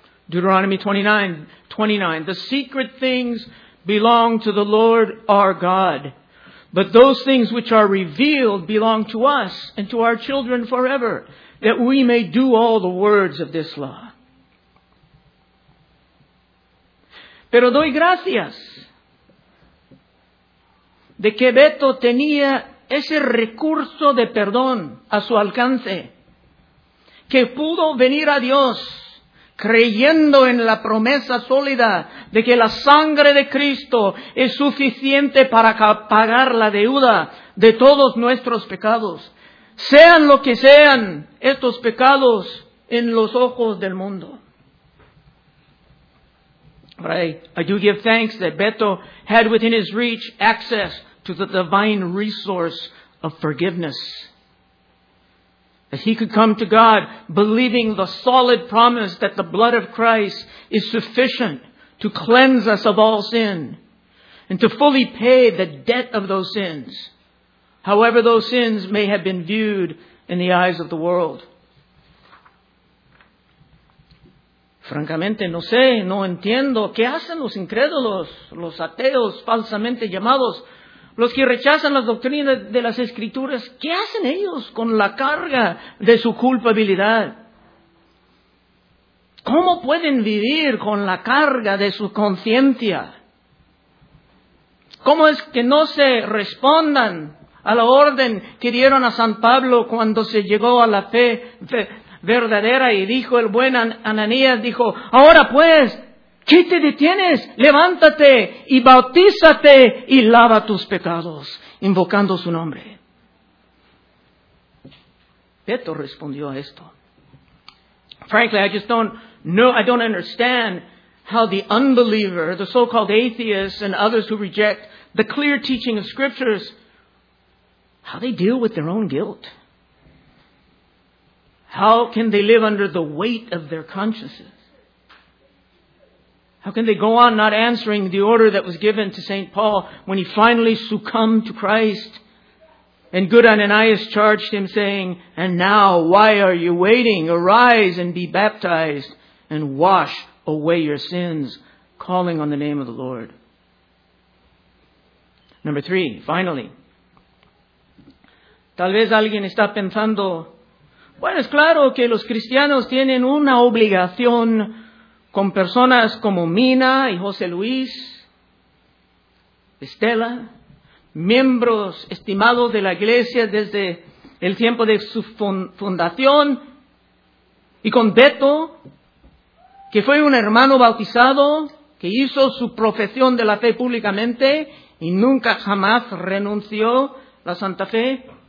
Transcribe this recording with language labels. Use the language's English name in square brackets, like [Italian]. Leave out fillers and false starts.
[English] Deuteronomy 29:29. The secret things belong to the Lord our God. But those things which are revealed belong to us and to our children forever, that we may do all the words of this law. [Spanish] Pero doy gracias de que Beto tenía ese recurso de perdón a su alcance, que pudo venir a Dios creyendo en la promesa sólida de que la sangre de Cristo es suficiente para pagar la deuda de todos nuestros pecados, sean lo que sean estos pecados en los ojos del mundo. [English] I do give thanks that Beto had within his reach access to the divine resource of forgiveness. That he could come to God believing the solid promise that the blood of Christ is sufficient to cleanse us of all sin and to fully pay the debt of those sins, however those sins may have been viewed in the eyes of the world. [Spanish] Francamente, no sé, no entiendo qué hacen los incrédulos, los ateos falsamente llamados, los que rechazan las doctrinas de las Escrituras, ¿qué hacen ellos con la carga de su culpabilidad? ¿Cómo pueden vivir con la carga de su conciencia? ¿Cómo es que no se respondan a la orden que dieron a San Pablo cuando se llegó a la fe verdadera y dijo el buen Ananías, dijo, ahora pues, ¿qué te detienes? Levántate y bautízate y lava tus pecados, invocando su nombre. Beto respondió a esto. [English] Frankly, I don't understand how the unbeliever, the so-called atheist, and others who reject the clear teaching of scriptures, how they deal with their own guilt. How can they live under the weight of their consciences? How can they go on not answering the order that was given to St. Paul when he finally succumbed to Christ? And good Ananias charged him, saying, and now, why are you waiting? Arise and be baptized and wash away your sins, calling on the name of the Lord. Number three, finally. [Spanish] Tal vez alguien está pensando, bueno, es claro que los cristianos tienen una obligación con personas como Mina y José Luis, Estela, miembros estimados de la iglesia desde el tiempo de su fundación, y con Beto, que fue un hermano bautizado, que hizo su profesión de la fe públicamente y nunca jamás renunció a la Santa Fe.